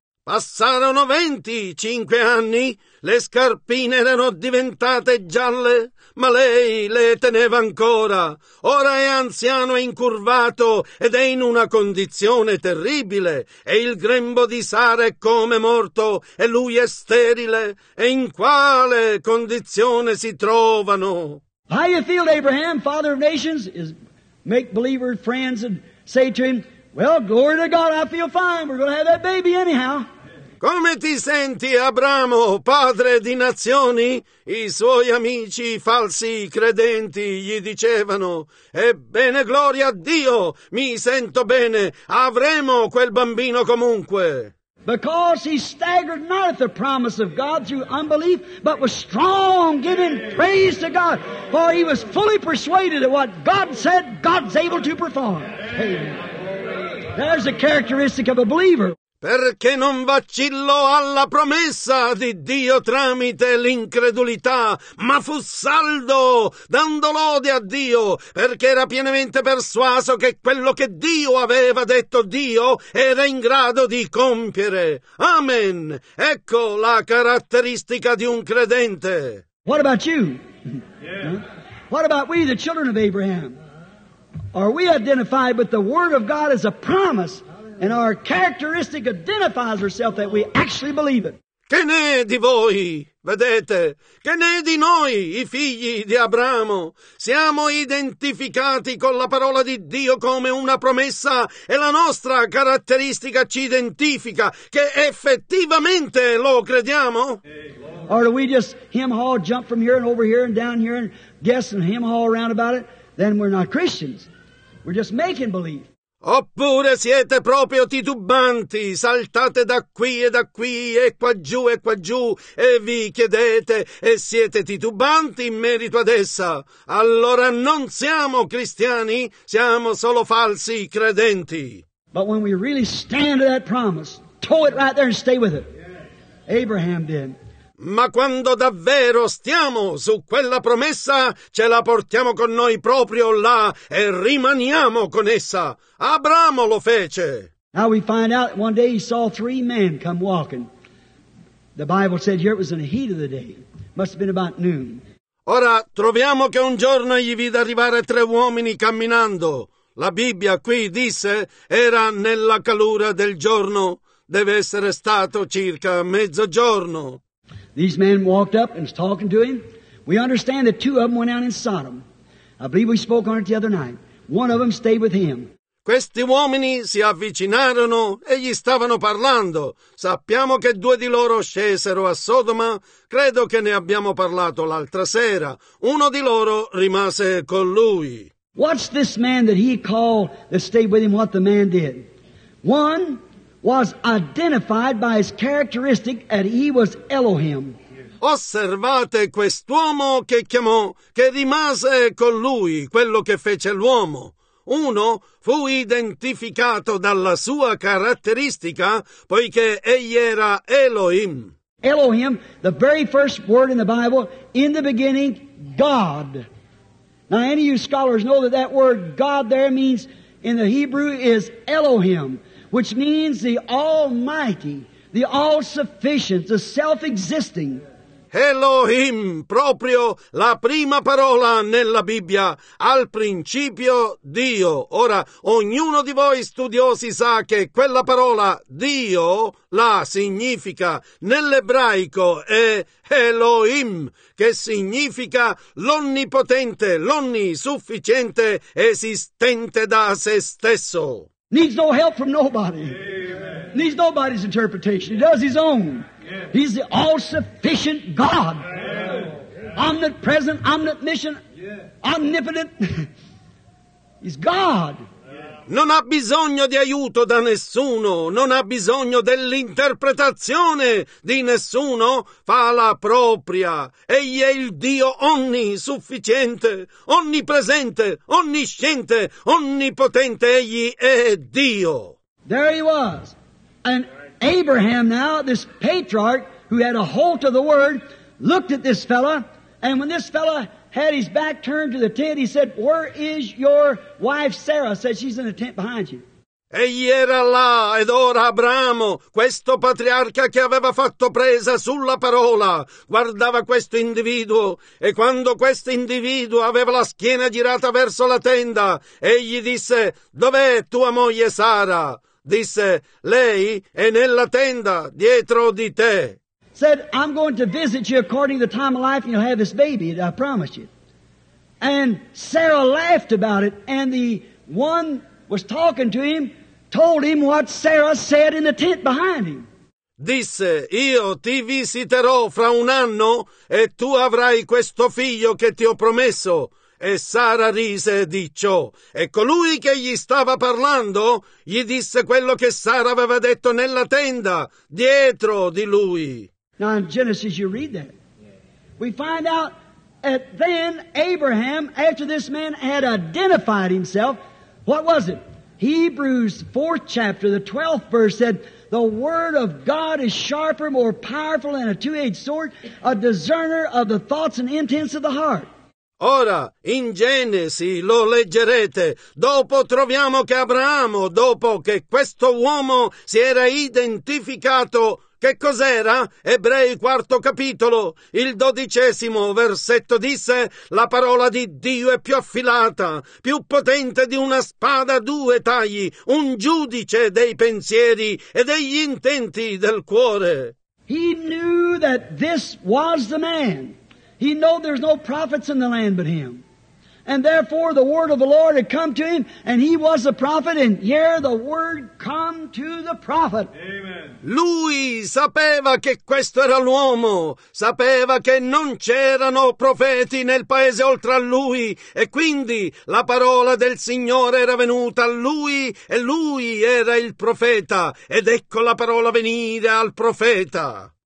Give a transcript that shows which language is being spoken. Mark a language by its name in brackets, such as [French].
[Italian] Passarono 25 anni, le scarpine erano diventate gialle, ma lei le teneva ancora. Ora è anziano e incurvato ed è in una condizione terribile, e il grembo di Sara è come morto, e lui è sterile. E in quale condizione si trovano? [English] How you feel, Abraham, father of nations, is make believer friends and say to him, well, glory to God, I feel fine, we're going to have that baby anyhow. [Italian] Come ti senti, Abramo, padre di nazioni? I suoi amici falsi credenti gli dicevano, ebbene, gloria a Dio, mi sento bene, avremo quel bambino comunque. [English] Because he staggered not at the promise of God through unbelief, but was strong, giving praise to God, for he was fully persuaded that what God said, God's able to perform. Amen. There's a characteristic of a believer. [Italian] Perché non vacillò alla promessa di Dio tramite l'incredulità, ma fu saldo, dando lode a Dio, perché era pienamente persuaso che quello che Dio aveva detto Dio era in grado di compiere. Amen. Ecco la caratteristica di un credente. [English] What about you? What about we, the children of Abraham? Are we identified with the word of God as a promise? And our characteristic identifies herself that we actually believe it. [Italian] Che ne è di voi? Vedete, che ne è di noi, i figli di Abramo? Siamo identificati con la parola di Dio come una promessa e la nostra caratteristica ci identifica che effettivamente lo crediamo? [English] Or do we just hem-haw, jump from here and over here and down here and guess and hem-haw around about it? Then we're not Christians. We're just making believe. [Italian] Oppure siete proprio titubanti, saltate da qui, e qua giù, e vi chiedete, e siete titubanti in merito ad essa. Allora non siamo cristiani, siamo solo falsi credenti. [English] But when we really stand to that promise, tow it right there and stay with it. Abraham did. [Italian] Ma quando davvero stiamo su quella promessa, ce la portiamo con noi proprio là e rimaniamo con essa. Abramo lo fece. [English] Now we find out one day he saw three men come walking. The Bible said here it was in the heat of the day. Must have been about noon. [Italian] Ora, troviamo che un giorno gli vide arrivare tre uomini camminando. La Bibbia qui disse era nella calura del giorno. Deve essere stato circa mezzogiorno. [English] These men walked up and was talking to him. We understand that two of them went out in Sodom. I believe we spoke on it the other night. One of them stayed with him. [Italian] Questi uomini si avvicinarono e gli stavano parlando. Sappiamo che due di loro scesero a Sodoma. Credo che ne abbiamo parlato l'altra sera. Uno di loro rimase con lui. [English] What's this man that he called that stayed with him, what the man did? One was identified by his characteristic that he was Elohim. [Italian] Osservate quest'uomo che chiamò, che rimase con lui, quello che fece l'uomo. Uno fu identificato dalla sua caratteristica, poiché egli era Elohim. [English] Elohim, the very first word in the Bible, in the beginning, God. Now, any of you scholars know that that word God there means, in the Hebrew, is Elohim, which means the Almighty, the All-Sufficient, the Self-Existing. [Italian] Elohim, proprio la prima parola nella Bibbia, al principio Dio. Ora, ognuno di voi studiosi sa che quella parola Dio la significa nell'ebraico è Elohim, che significa l'onnipotente, l'onnisufficiente, esistente da se stesso. [English] Needs no help from nobody. Amen. Needs nobody's interpretation. He does his own. He's the all-sufficient God, omnipresent, omniscient, omnipotent. He's God. [Italian] Non ha bisogno di aiuto da nessuno, non ha bisogno dell'interpretazione di nessuno, fa la propria. Egli è il Dio onnisufficiente, onnipresente, onnisciente, onnipotente. Egli è Dio. [English] There he was. And Abraham now, this patriarch who had a hold of the word, looked at this fella, and when this fella had his back turned to the tent, he said, "Where is your wife Sarah?" Said, "She's in the tent behind you." [Italian] Egli era là, ed ora Abramo, questo patriarca che aveva fatto presa sulla parola, guardava questo individuo, e quando questo individuo aveva la schiena girata verso la tenda, egli disse, "Dov'è tua moglie Sara?" Disse, lei è nella tenda dietro di te. [English] Said, I'm going to visit you according to the time of life and you'll have this baby, I promise you. And Sarah laughed about it and the one was talking to him, told him what Sarah said in the tent behind him. [Italian] Disse, io ti visiterò fra un anno e tu avrai questo figlio che ti ho promesso. E Sara rise di ciò. E colui che gli stava parlando gli disse quello che Sara aveva detto nella tenda dietro di lui. [English] Now in Genesis you read that. We find out that then Abraham, after this man had identified himself, what was it? Hebrews 4th chapter, the 12th verse said, the word of God is sharper, more powerful than a two-edged sword, a discerner of the thoughts and intents of the heart. [Italian] Ora, in Genesi, lo leggerete, dopo troviamo che Abramo, dopo che questo uomo si era identificato, che cos'era? Ebrei 4 capitolo, il 12° versetto disse, la parola di Dio è più affilata, più potente di una spada a due tagli, un giudice dei pensieri e degli intenti del cuore. [English] He knew that this was the man. He knew there's no prophets in the land but him. And therefore the word of the Lord had come to him, and he was a prophet, and here the word come to the prophet. Amen. [Italian] Lui sapeva che questo era l'uomo, sapeva che non c'erano profeti nel paese oltre a lui, e quindi la parola del Signore era venuta a lui, e lui era il profeta, ed ecco la parola venire al profeta.